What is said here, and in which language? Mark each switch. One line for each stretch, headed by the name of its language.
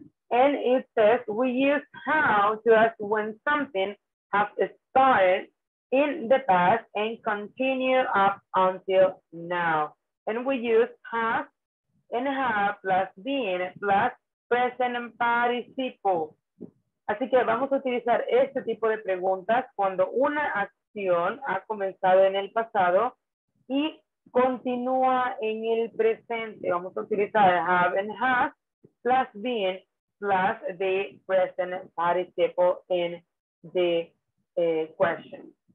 English: And it says we use how to ask when something has started in the past and continue up until now. And we use have and have plus been plus present participle.
Spanish: Así que vamos a utilizar este tipo de preguntas cuando una acción ha comenzado en el pasado y continúa en el presente. Vamos a utilizar
English: have and have plus been plus the present participle in the question.